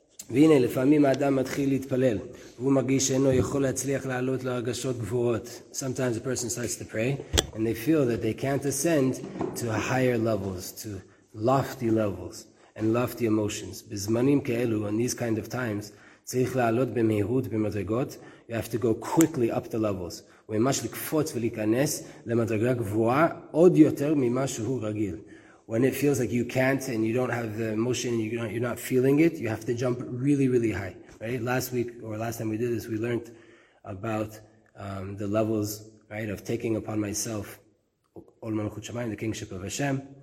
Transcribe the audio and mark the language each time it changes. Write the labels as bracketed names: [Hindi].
[Hebrew] והנה, לפעמים האדם מתחיל להתפלל, והוא מרגיש שאינו יכול להצליח לעלות להרגשות גבוהות. [English] Sometimes a person starts to pray, and they feel that they can't ascend to higher levels, to lofty levels, and lofty emotions. [Hebrew] בזמנים כאלו, [English] in these kind of times, [Hebrew] צריך לעלות במהירות במדרגות, [English] you have to go quickly up the levels. [Hebrew] וממש לקפוץ ולהיכנס למדרגה גבוהה עוד יותר ממה שהוא רגיל. [English] When it feels like you can't and you don't have the emotion, you're not feeling it, you have to jump really, really high. Right? Last week or last time we did this, we learned about the levels, right, of taking upon myself Ol Malchut Shamayim, the kingship of Hashem.